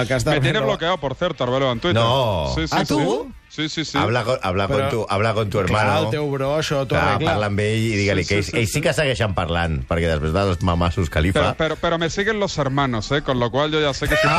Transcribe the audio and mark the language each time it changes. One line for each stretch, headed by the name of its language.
Spanish: Me tiene bloqueado, por cierto, Arbeloa, en Twitter. No. Sí, sí, ¿a tu? Sí. Habla con tu hermano.
Catalan: Clar, el teu bro, això t'ho arregla. Parla amb ell i digue-li que ells sí que segueixen parlant, perquè després de los mamassos califa...
Spanish: Pero me siguen los hermanos, ¿eh? Con lo cual yo ya sé que...